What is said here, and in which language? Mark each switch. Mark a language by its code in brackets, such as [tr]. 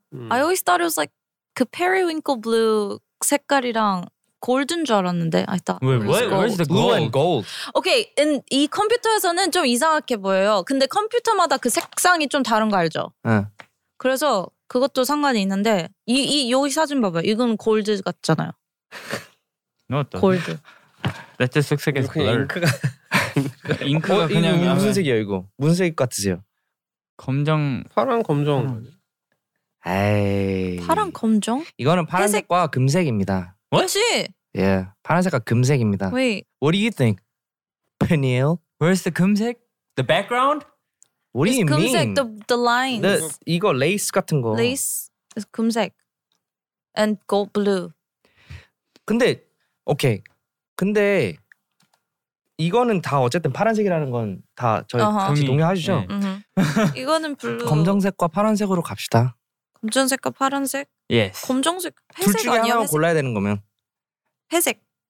[en] I always thought it was like [ko] 그 페리윙클 블루 색깔이랑 골든 줄 알았는데 [en] I thought Wait, what? Where is the gold? Blue and gold? [ko] Okay, 이 컴퓨터에서는 좀 이상하게 보여요. 근데 컴퓨터마다 그 색상이 좀 다른 거 알죠? 그래서 그것도 상관이 있는데 이 여기 사진 봐봐요. 이건 골드 같잖아요. 맞다. 골드. [en] That just looks like a color. [ko] 잉크가 잉크가 그냥 무슨 하면... 색이에요 이거? 무슨 색 같으세요? 검정. 파란 검정. 파란 검정? 이거는 파란색과 회색? 금색입니다. 뭐지? 예, 파란색과 금색입니다. [en] Wait. What do you think, Peniel? Where's the 금색? The background? What it's do you [ko] 금색, [en] mean? The lines. [ko] 이거 레이스 같은 거. [en] Lace is 금색 and gold blue. [ko] 근데 오케이. 근데 이거는 다 어쨌든 파란색이라는 건 다 저희 같이 동의하시죠? 네. 이거는 블루. 검정색과 파란색으로 갑시다. 검정색과 파란색? [en] Yes. [ko] 검정색, 회색 아니야? 둘 중에 하나만 골라야 되는 거면. 회색.